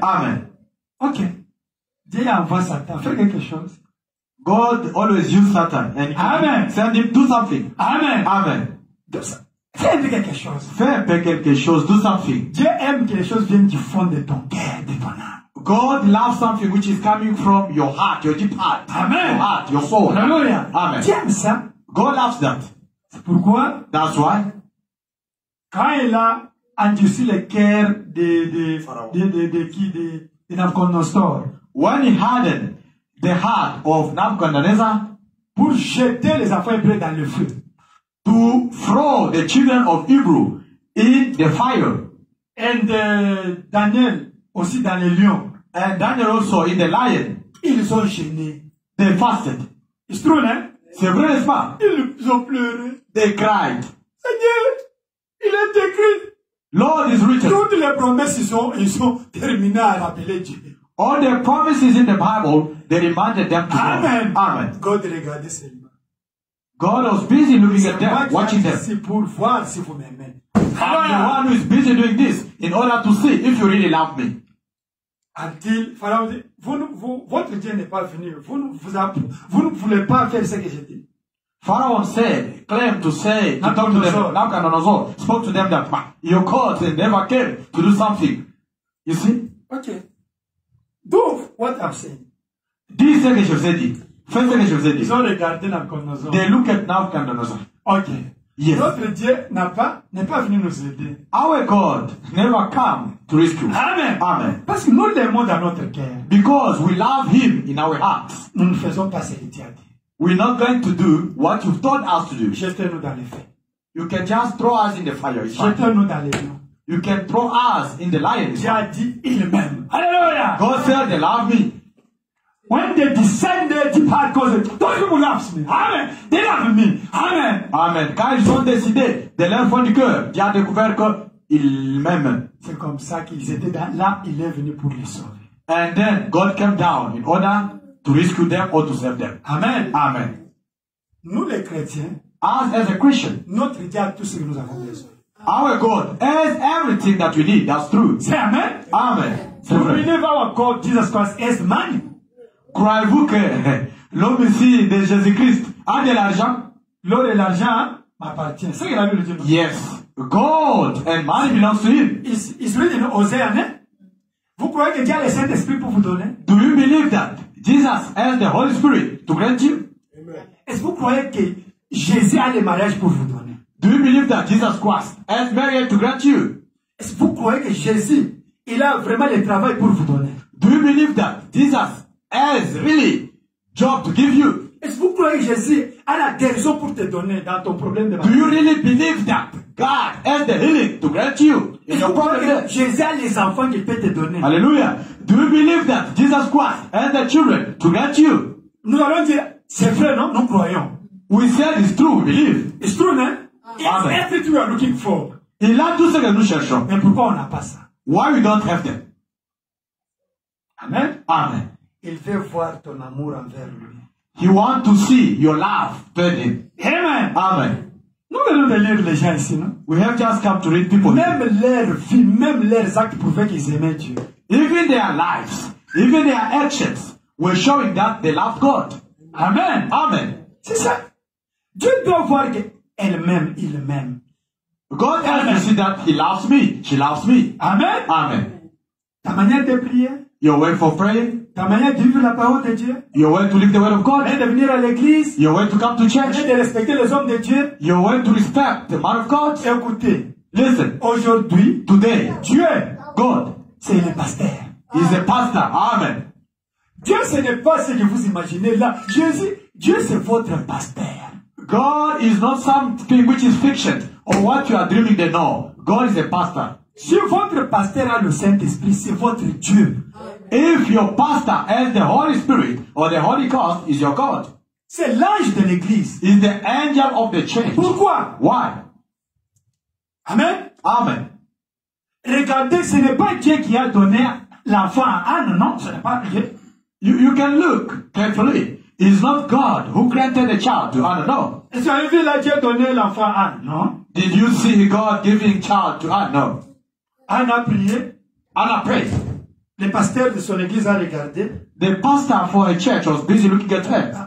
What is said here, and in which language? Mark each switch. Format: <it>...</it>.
<fr>Amen. Ok. Dieu envoie Satan. Fais quelque chose.</fr> <en>God always uses Satan and Amen. Send him do something. Amen. Amen.</en> <fr>Fais quelque chose. Fais un peu quelque chose.</fr> <en>Do something.</en> <fr>Dieu aime que les choses viennent du fond de ton cœur, de ton âme.</fr> <en>God loves something which is coming from your heart, your deep heart. Amen. Your heart, your soul. Hallelujah. Amen.</en> <fr>Dieu aime ça.</fr> <en>God loves that.</en> <fr>C'est pourquoi?</fr> <en>That's why.</en> <fr>Quand il a endurci le cœur de Nabucodonosor.</fr> <en>When he hardened the heart of Nabucodonosor.</en> <fr>Pour jeter les enfants hébreux dans le feu.</fr> <en>To throw the children of Hebrew in the fire. And Daniel.</en> <fr>Aussi dans les lions.</fr> <en>And Daniel also in the lion.</en> <fr>Ils sont gênés.</fr> <en>They fasted. It's true, hein?</en> <fr>C'est vrai, n'est-ce pas? Ils ont pleuré.</fr> <en>They cried.</en> <fr>Seigneur, il est écrit.</fr> <en>Lord is written.</en> <fr>Toutes les promesses, ils sont terminées à la pillage.</fr> <en>All the promises in the Bible, they reminded them to Amen. God. Amen.</en> <fr>God regardait seulement.</fr> <en>God was busy looking at them, watching them.</en> <fr>C'est pour voir si vous m'aimez.</fr> <en>I'm the one who is busy doing this in order to see if you really love me.</en> <fr>Until Pharaoh dit, votre Dieu n'est pas venu. Vous ne voulez pas faire ce que j'ai dit.</fr> <en>Pharaoh said, claimed to say, spoke to them that you called, they never came to do something. You see? Okay. Donc, what I'm saying. This thing is your city. First thing is your city.</en> <fr>Ils ont regardé Nabucodonosor.</fr> <en>They look at Nabucodonosor. Okay. Yes.</en> <fr>Notre Dieu n'est pas venu nous aider.</fr> <en>Our God never come to rescue. Amen. Amen.</en> <fr>Parce que nous l'aimons dans notre cœur.</fr> <en>Because we love him in our hearts.</en> <fr>Nous ne faisons pas ce qu'il a dit.</fr> <en>We're not going to do what you've taught us to do.</en> <fr>Jetez-nous dans les feux.</fr> <en>You can just throw us in the fire.</en> <fr>Jetez-nous dans les lions.</fr> <en>You can throw us in the lion.</en> <fr>Dieu a dit il m'aime. Alléluia.</fr> <en>God said they love me. When they descended to Parcos,</en> <fr>tout le monde</fr> <en>loves me. Amen. They love me. Amen. Amen.</en> <fr>Quand ils ont décidé de leur fond du cœur, Dieu a découvert qu'ils m'aiment. C'est comme ça qu'ils étaient dans, là, il est venu pour les sauver.</fr> <en>And then God came down in order to rescue them or to save them. Amen. Amen.</en> <fr>Nous les chrétiens,</fr> <en>as a Christian,</en> <fr>notre Dieu a tout ce que nous avons besoin.</fr> <en>Our God has everything that we need. That's true.</en> <fr>C'est amen. Amen.</fr> <en>Do we believe our God, Jesus Christ, has money?</en> <fr>Croyez vous que l'homme ici de Jésus Christ a de l'argent? L'or et l'argent m'appartient. C'est ce que la Bible dit.</fr> <en>Yes. Gold and money belongs to him. Is written in Hosea, ne?</en> <fr>Vous croyez que Dieu a le Saint-Esprit pour vous donner?</fr> <en>Do you believe that Jesus has the Holy Spirit to grant you? Amen.</en> <fr>Est-ce que vous croyez que Jésus a le mariage pour vous donner?</fr> <en>Do you believe that Jesus Christ has married to grant you?</en> <fr>Est-ce que vous croyez que Jésus il a vraiment le travail pour vous donner?</fr> <en>Do you believe that Jesus has really job to give you?</en> <fr>Est-ce que vous croyez que Jésus a la guérison pour te donner dans ton problème de</fr> <en>maladie? Do you really believe that God has the healing to grant you?</en> <fr>Est-ce que vous croyez que Jésus a les enfants qu'il peut te donner? Alléluia.</fr> <en>Do you believe that Jesus Christ has the children to grant you?</en> <fr>Nous allons dire, c'est vrai, non? Nous croyons.</fr> <en>We said it's true, we believe. It's true, non? It's everything we are looking for.</en> <fr>Il a tout ce que nous cherchons. Mais pourquoi on n'a pas ça?</fr> <en>Why we don't have them? Amen. Amen.</en> <fr>Il veut voir ton amour envers lui.</fr> <en>He wants to see your love toward him. Amen. Amen.</en> <fr>Nous venons de lire les gens ici, non?</fr> <en>We have just come to read people.</en> <fr>Même leur vie, même leurs actes prouvaient qu'ils aimaient Dieu.</fr> <en>Even their lives, even their actions were showing that they love God. Amen. Amen.</en> <fr>C'est ça. Dieu doit voir qu'elle-même, il m'aime.</fr> <en>God has to see that he loves me. She loves me. Amen. Amen.</en> <fr>Ta manière de prier.</fr> <en>Your way for praying.</en> <fr>Ta manière de vivre la parole de Dieu.</fr> <en>Your way to live the word of God.</en> <fr>Ta manière de venir à l'église.</fr> <en>Your way to come to church.</en> <fr>Ta manière de respecter les hommes de Dieu.</fr> <en>Your way to respect the man of God.</en> <fr>Écoutez.</fr> <en>Listen.</en> <fr>Aujourd'hui.</fr> <en>Today.</en> <fr>Dieu.</fr> <en>God.</en> <fr>C'est le pasteur.</fr> <en>He's a pastor. Amen.</en> <fr>Dieu, ce n'est pas ce que vous imaginez là. Jésus, Dieu, c'est votre pasteur.</fr> <en>God is not something which is fiction or what you are dreaming to know. God is a pastor.</en> <fr>Si votre pasteur a le Saint-Esprit, c'est votre Dieu.</fr> <en>If your pastor has the Holy Spirit or the Holy Ghost, is your God.</en> <fr>C'est l'ange de l'église.</fr> <en>Is the angel of the church.</en> <fr>Pourquoi?</fr> <en>Why? Amen. Amen.</en> <fr>Regardez, ce n'est pas Dieu qui a donné l'enfant à Anne, non? Ce n'est pas Dieu.</fr> <en>You can look carefully. It's not God who granted a child to Anne, no.</en> <fr>Est-ce que vous avez vu Dieu donner l'enfant à Anne, non?</fr> <en>Did you see God giving child to Anne, no?</en> <fr>Anne a prié.</fr> <en>Anne a prayed.</en> <fr>Le pasteur de son église a regardé.</fr> <en>The pastor for a church was busy looking at her.</en>